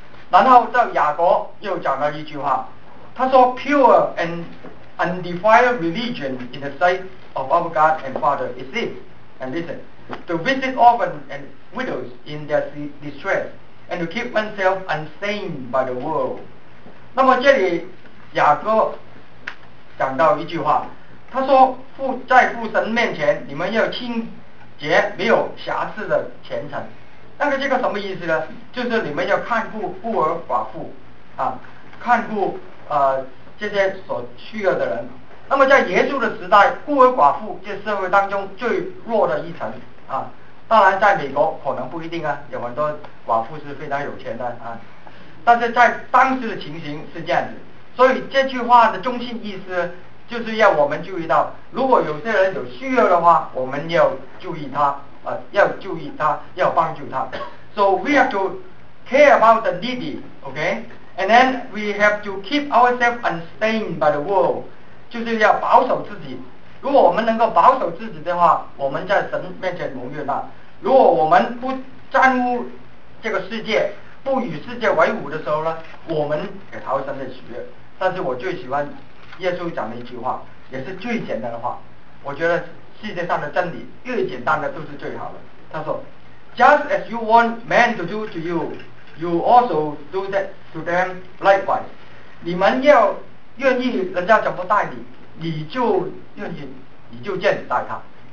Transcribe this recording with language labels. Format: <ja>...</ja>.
<zh>然后到雅各又讲了一句话，他说</zh> <en>：“Pure and undefiled religion in the sight of our God and Father is this.” And listen, to visit orphans and widows in their distress, and to keep oneself unstained by the world.</en> <zh>那么这里雅各讲到一句话，他说父在父神面前，你们要清洁没有瑕疵的虔诚。那个这个什么意思呢？就是你们要看顾孤儿寡妇啊，看顾这些所需要的人。那么在耶稣的时代，孤儿寡妇这社会当中最弱的一层啊。当然在美国可能不一定啊，有很多寡妇是非常有钱的啊，但是在当时的情形是这样子。所以这句话的中心意思就是要我们注意到，如果有些人有需要的话，我们要注意他啊，要注意他，要帮助他。</zh> <en>So we have to care about the needy, okay? And then we have to keep ourselves unstained by the world,</en> <zh>就是要保守自己。如果我们能够保守自己的话，我们在神面前蒙悦纳。如果我们不沾污这个世界，不与世界为伍的时候呢，我们也讨神的喜悦。但是我最喜欢耶稣讲的一句话，也是最简单的话，我觉得世界上的真理越简单的都是最好的。他说</zh> <en>Just as you want men to do to you, you also do that to them likewise.</en> <zh>你们要愿意人家怎么待你，你就愿意，你就这样子待他。</zh>